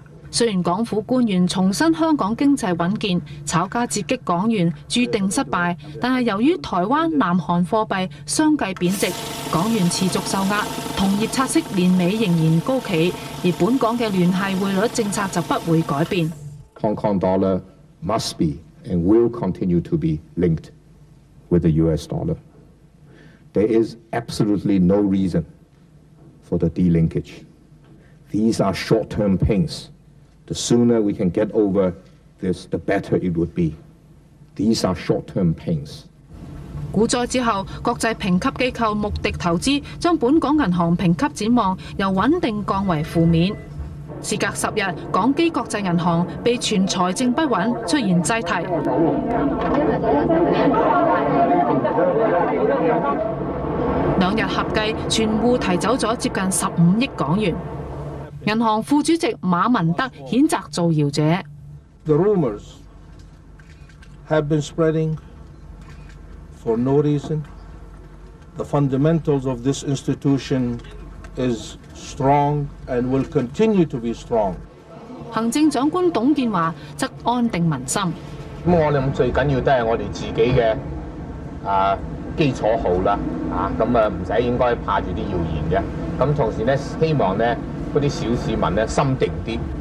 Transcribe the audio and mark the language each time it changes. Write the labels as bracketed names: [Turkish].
[Cantonese] 雖然港府官員重申香港經濟穩健，炒家截擊港元注定失敗，但是由於台灣、南韓貨幣相繼貶值，港元持續受壓，同業拆息年尾仍然高企，而本港的聯繫匯率政策就不會改變。 [English] Hong Kong dollar must be and will continue to be linked with the US dollar. There is absolutely no reason for the delinkage. These are short-term pains. The sooner we can get over this, the better it would be. These are short-term pains. [Cantonese] 股災之後，國際評級機構穆迪投資將本港銀行評級展望由穩定降為負面。事隔10日，港基國際銀行被傳財政不穩，出現擠提。兩日合計，全戶提走咗接近15億港元。銀行副主席馬文德譴責造謠者。 [English] The rumors have been spreading for no reason. The fundamentals of this institution is strong and will continue to be strong. [Cantonese] 行政長官董建華則安定民心。咁我諗最緊要都係我哋自己嘅基礎好啦，咁啊唔使應該怕住啲謠言嘅。咁同時咧，希望咧。嗰啲小市民咧心定啲。